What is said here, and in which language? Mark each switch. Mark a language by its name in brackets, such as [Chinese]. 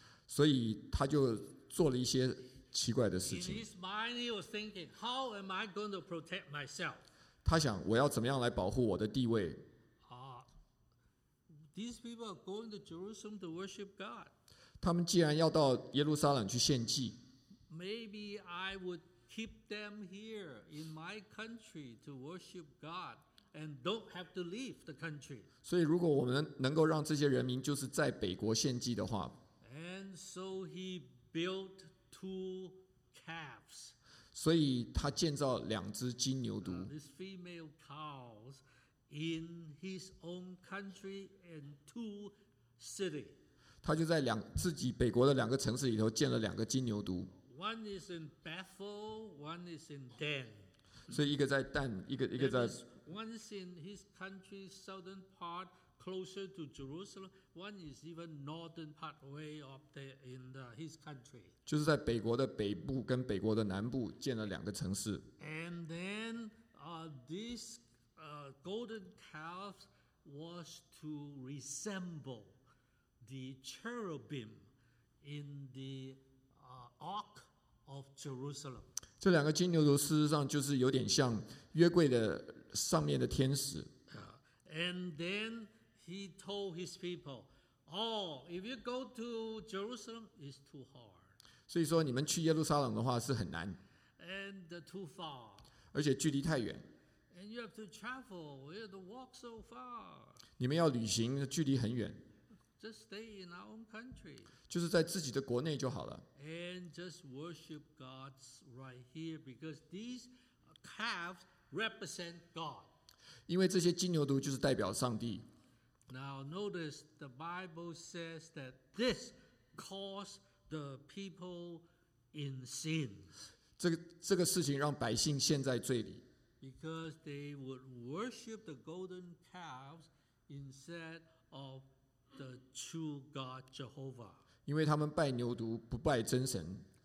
[Chinese] 所以他就做了一些奇怪的事情。 [English] In his mind, he was thinking, "How am I going to protect myself?" [Chinese] 他想，我要怎么样来保护我的地位？ [English] These people are going to Jerusalem to worship God. [Chinese] 他们既然要到耶路撒冷去献祭 [English] ，Maybe I would. Keep them here in my country to worship God and don't have to leave the country. [Chinese] 所以如果我们能够让这些人民就是在北国献祭的话。 [English] And so he built two calves. [Chinese] 所以他建造两只金牛犊。 [English] These female cows in his own country and two cities. [Chinese] 他就在自己北国的两个城市里头建了两个金牛犊。 [English] One is in Bethel, one is in Dan. [Chinese] 所以一个在但，一个在。 [English] One is in his country's southern part, closer to Jerusalem. One is even northern part way up there in his country. [Chinese] 就是在北国的北部跟北国的南部建了两个城市。 [English] And then, this golden calf was to resemble the cherubim in the ark. Of Jerusalem. [Chinese] 这两个金牛犊事实上就是有点像约柜的上面的天使。 [English] And then he told his people, "Oh, if you go to Jerusalem, it's too hard." [Chinese] 所以说你们去耶路撒冷的话是很难。 [English] And too far. [Chinese] 而且距离太远。 [English] And you have to travel. You have to walk so far. [Chinese] 你们要旅行，距离很远。 [English] Just stay in our own country. [Chinese] 就是在自己的国内就好了。 [English] And just worship God right here because these calves represent God. [Chinese] 因为这些金牛犊就是代表上帝。 [English] Now notice the Bible says that this caused the people in sins. [Chinese] 这个事情让百姓陷在罪里。 [English] Because they would worship the golden calves instead of the true God Jehovah. [Chinese] 因为他们拜牛犊不拜真神。